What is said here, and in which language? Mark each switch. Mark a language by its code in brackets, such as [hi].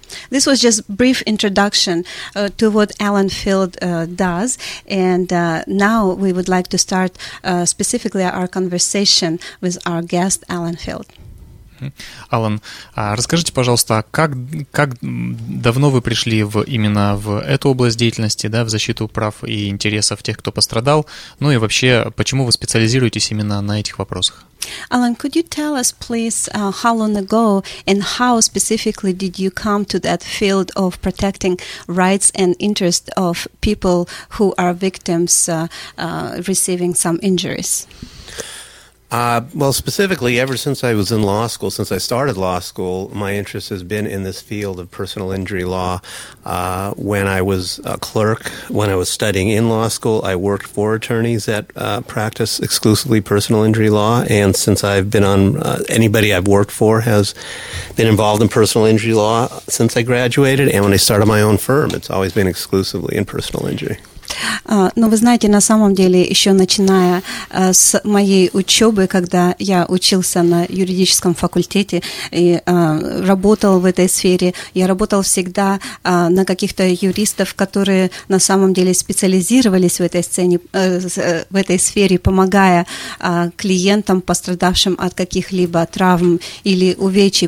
[en] This was just brief introduction to what Alan Field does, and now we would like to start specifically our conversation with our guest Alan Field. [ru] Алан, расскажите, пожалуйста, как давно вы пришли именно в эту область деятельности, да, в защиту прав и интересов тех, кто пострадал, ну и вообще, почему вы специализируетесь именно на этих вопросах? [en] Alan, could you tell us, please, how long ago and how specifically did you come to that field of protecting rights and interests of people who are victims receiving some injuries? Well, specifically, ever since I was in law school, since I started law school, my interest has been in this field of personal injury law. When I was a clerk, when I was studying in law school, I worked for attorneys that practice exclusively personal injury law. And since I've been on, anybody I've worked for has been involved in personal injury law since I graduated. And when I started my own firm, it's always been exclusively in personal injury. [ru] Ну, вы знаете, на самом деле, еще начиная с моей учебы, когда я учился на юридическом факультете и работал в этой сфере, я работал всегда на каких-то юристов, которые на самом деле специализировались в этой сцене, в этой сфере, помогая клиентам, пострадавшим от каких-либо травм или увечий.